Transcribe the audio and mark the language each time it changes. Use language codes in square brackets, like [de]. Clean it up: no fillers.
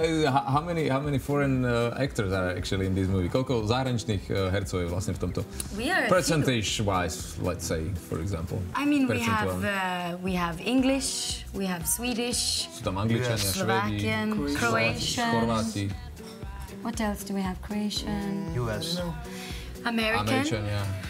[en] How many foreign actors are actually in this movie? [sk] Koľko zahraničných hercov je vlastne v tomto? [en] We are percentage-wise, let's say, for example. I mean, we have English, we have Swedish, [sk] sú tam Angličania, yeah. Švédi, Croatian, Chorváti. [en] What else do we have? Croatian? US. American. [sk] Američania.